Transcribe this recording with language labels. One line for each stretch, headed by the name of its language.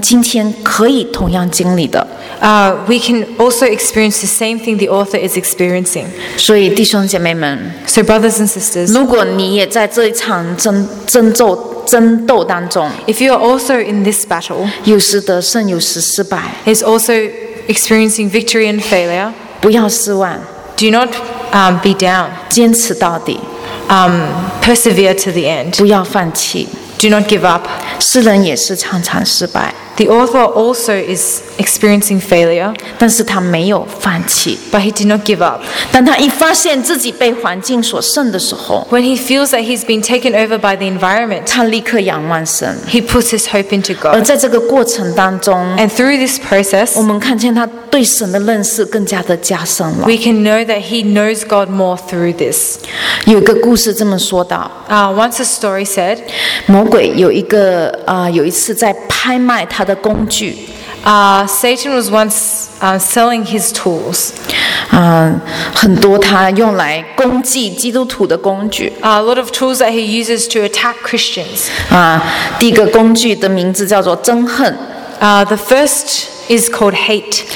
Chinese: 我们看见作者描述的就是我们今天可以同样经历的。
English: We can also experience the same thing the author is experiencing.
Chinese: 所以弟兄姐妹们,
English: so brothers and sisters,
Chinese: 如果你也在这一场争斗, 争斗当中,
English: if you are also in this battle,
Chinese: 有时得胜有时失败,
English: is also experiencing victory and failure,
Chinese: 不要失望,
English: do not be down,
Chinese: 坚持到底,
English: persevere to the end,
Chinese: 不要放弃,
English: do not give up.
Chinese: 诗人也是常常失败,
English: the author also is experiencing failure,
Chinese: 但是他没有放弃,
English: but he did not give up.
Chinese: 当他一发现自己被环境所胜的时候,
English: when he feels that he's been taken over by the environment,
Chinese: 他立刻仰望神,
English: he puts his hope into God.
Chinese: 而在这个过程当中,
English: and through this process,
Chinese: 我们看见他对神的认识更加的加深了,
English: we can know that he knows God more through this.
Chinese: 有个故事这么说道,
English: once a story said,
Chinese: 魔鬼有一个, 有一次在拍卖他的工具,
English: Satan was once selling his tools.
Chinese: 很多他用来攻击基督徒的工具。
English: A lot of tools that he uses to attack Christians.
Chinese: 第一个工具的名字叫做憎恨。
English: The first is called hate.